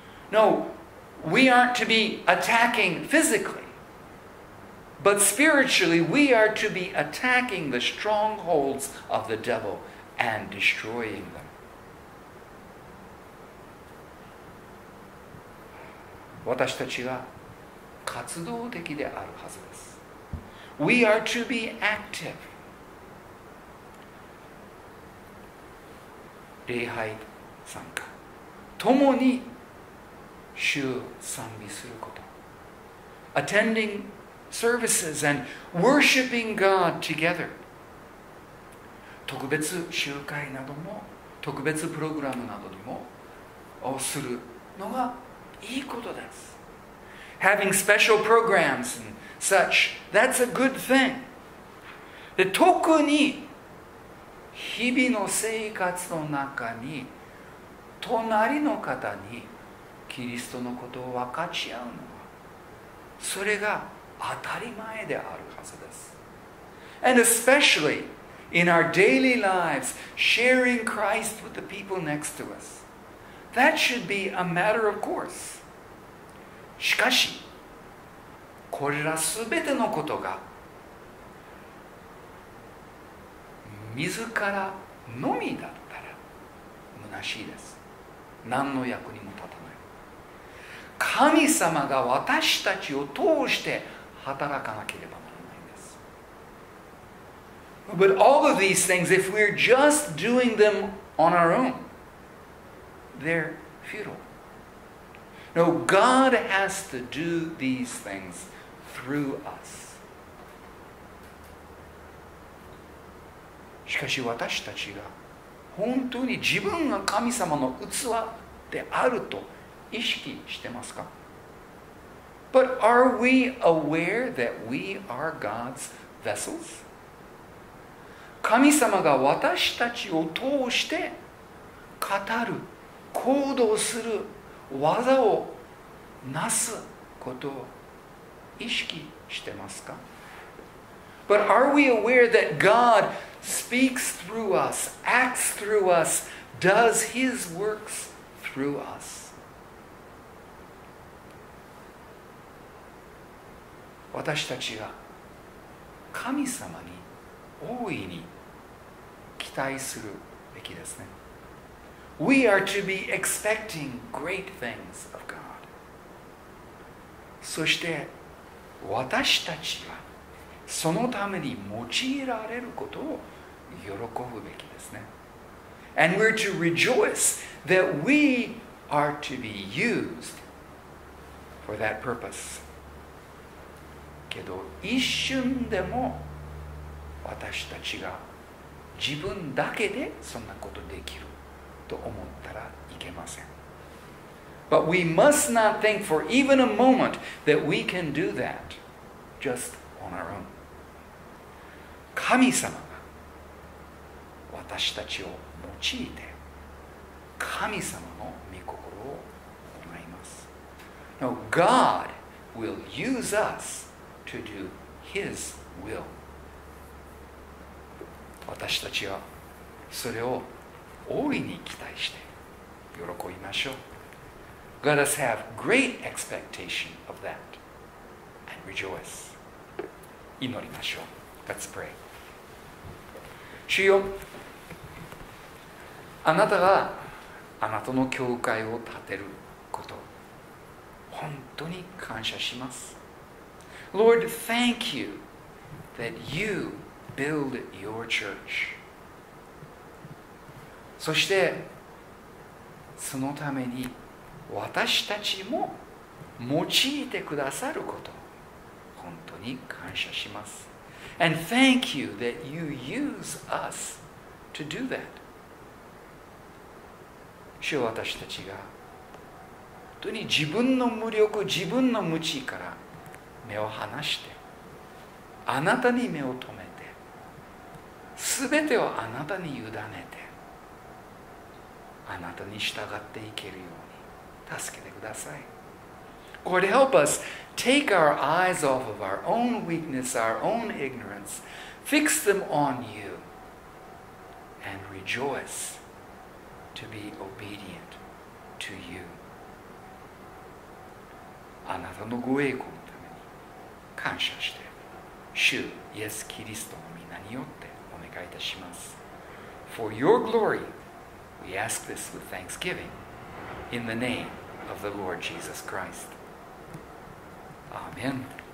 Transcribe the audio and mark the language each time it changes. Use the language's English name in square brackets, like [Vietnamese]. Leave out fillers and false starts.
[English] No, we aren't to be attacking physically, but spiritually we are to be attacking the strongholds of the devil and destroying them. [Japanese] 私たちは活動的であるはずです。 [English] We are to be active. [Japanese] 礼拝参加共に主を賛美すること [English] attending services and worshiping God together [Japanese] 特別集会なども特別プログラムなどにもをするのがいいことです [English] having special programs and such that's a good thing [Japanese] で特に日々の生活の中に隣の方にキリストのことを分かち合うのはそれが当たり前であるはずです。 [English] And especially in our daily lives, sharing Christ with the people next to us. That should be a matter of course. [Japanese] しかし、これらすべてのことが自らのみだったら虚しいです。何の役にも立たない。神様が私たちを通して働かなければならないんです。 [English] But all of these things, if we're just doing them on our own, they're futile. No, God has to do these things through us. [Japanese] しかし私たちが本当に自分が神様の器であると意識してますか? [English] But are we aware that we are God's vessels? [Japanese] 神様が私たちを通して語る、行動する技をなすことを意識してますか? [English] But are we aware that GodSpeaks through us, acts through us, does his works through us. [Japanese] 私たちが神様に大いに期待するべきですね。 [English] We are to be expecting great things of God. [Japanese] そして私たちはそのために用いられることを喜ぶべきですね。 [English] And we're to rejoice that we are to be used for that purpose. [Japanese] けど一瞬でも私たちが自分だけでそんなことできると思ったらいけません。 [English] But we must not think for even a moment that we can do that just on our own. [Japanese] 神様私たちを用いて神様の御心を行います。 [English] Now, God will use us to do His will. [Japanese] 私たちはそれを大いに期待して喜びましょう。 [English] Let us have great expectation of that and rejoice. [Japanese] 祈りましょう。 [English] Let's pray. [Japanese] 主よあなたがあなたの教会を建てること本当に感謝します [English] Lord, thank you that you build your church [Japanese] そしてそのために私たちも用いてくださること本当に感謝します [English] And thank you that you use us to do that [Japanese] 主よ私たちが本当に自分の無力自分の無知から目を離してあなたに目を留めてすべてをあなたに委ねてあなたに従っていけるように助けてください [English] God help us take our eyes off of our own weakness our own ignorance fix them on you and rejoice to be obedient to you. [Japanese] あなたのご栄光のために感謝して、主イエス・キリストの名によってお願いいたします。 [English] For your glory, we ask this with thanksgiving in the name of the Lord Jesus Christ. Amen.